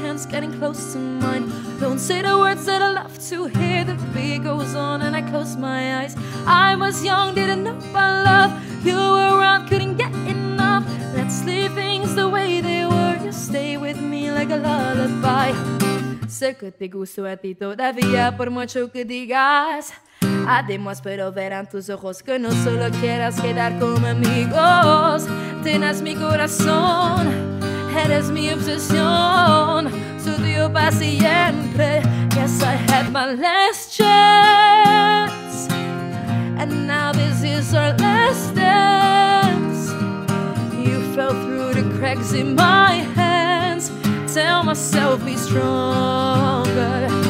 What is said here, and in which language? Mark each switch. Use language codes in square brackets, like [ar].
[en] Getting close to mine. Don't say the words that I love to hear. The beat goes on and I close my eyes. I was young, didn't know about love. You were around, couldn't get enough. Let's leave things the way they were. You stay with me like a lullaby. [es] Sé que te gusto a ti todavía, por mucho que digas. Además, pero ver en tus ojos que no solo quieras quedar como amigos. Tienes mi corazón, eres mi obsesión. Tuyo pa siempre. [en] Guess I had my last chance, and now this is our last dance. You fell through the cracks in my hands. Tell myself be stronger.